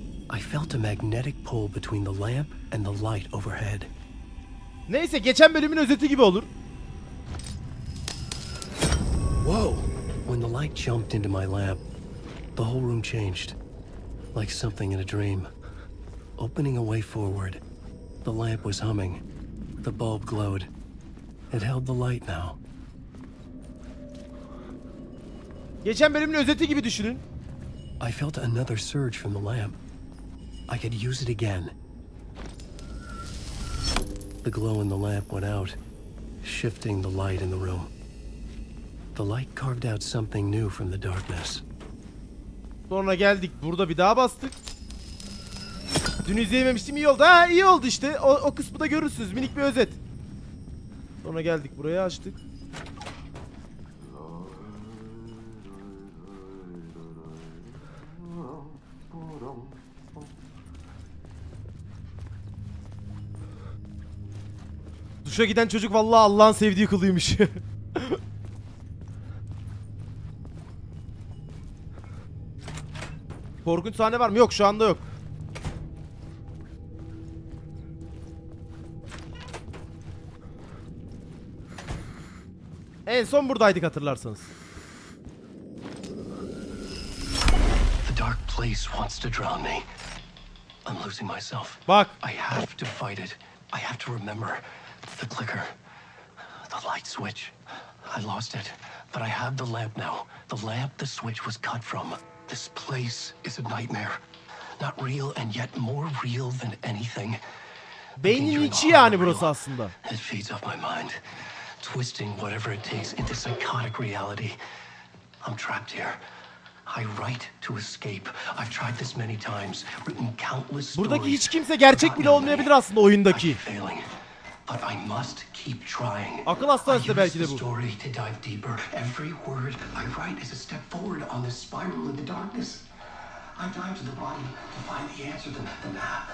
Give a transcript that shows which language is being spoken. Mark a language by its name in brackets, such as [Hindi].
[English] I felt a magnetic pull between the lamp and the light overhead. [Turkish] Neyse, geçen bölümün özeti gibi olur. Whoa! [English] When the light jumped into my lamp, the whole room changed. Like something in a dream. Opening a way forward, the lamp was humming. The bulb glowed. It held the light now. [Turkish] Geçen bölümün özeti gibi düşünün. [English] I felt another surge from the lamp. I could use it again. The glow in the lamp went out, shifting the light in the room. The light carved out something new from the darkness. [Turkish] Sonra geldik, burada bir daha bastık. Dün izleyememiştim, iyi oldu. Ha, iyi oldu işte. O kısmı da görürsünüz, minik bir özet. Sonra geldik, burayı açtık. Duşa giden çocuk vallahi Allah'ın sevdiği kılıymış. Korkunç sahne var mı? Yok, şu anda yok. En son buradaydık hatırlarsanız. [English] The dark place wants to drown me. I'm losing myself. [Turkish] Bak, [English] I have to fight it. I have to remember. The clicker, the light switch. I lost it, but I have the lamp now. The lamp the switch was cut from. This place is a nightmare. Not real and yet more real than anything. [Turkish] Beynin içi yani burası aslında. [English] It feeds off my mind, twisting whatever it takes into psychotic reality. I'm trapped here. I write to escape. I've tried this many times, written countless stories. [Turkish] Buradaki hiç kimse gerçek bile olmayabilir aslında oyundaki. [English] But I must keep trying. [Turkish] Akıl hastası da belki de bu. [English] Story to dive deeper. Every word I write is a step forward on this spiral in the darkness. I dive to the bottom to find the answer, the map.